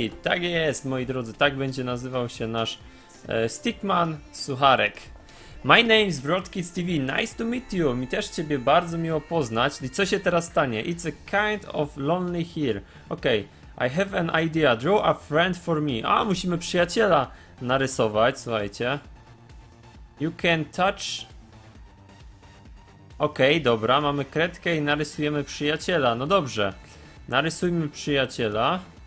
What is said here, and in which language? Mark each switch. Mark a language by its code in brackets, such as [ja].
[pl] Tak jest, moi drodzy, tak będzie nazywał się nasz Stickman Sucharek. [en] My name is Brodkic TV, nice to meet you. [pl] Mi też ciebie bardzo miło poznać. I co się teraz stanie? [en] It's a kind of lonely here. Okej, okay. I have an idea, draw a friend for me. [pl] A, musimy przyjaciela narysować, słuchajcie. [en] You can touch. [pl] Okej, okay, dobra, mamy kredkę i narysujemy przyjaciela. No dobrze, narysujmy przyjaciela.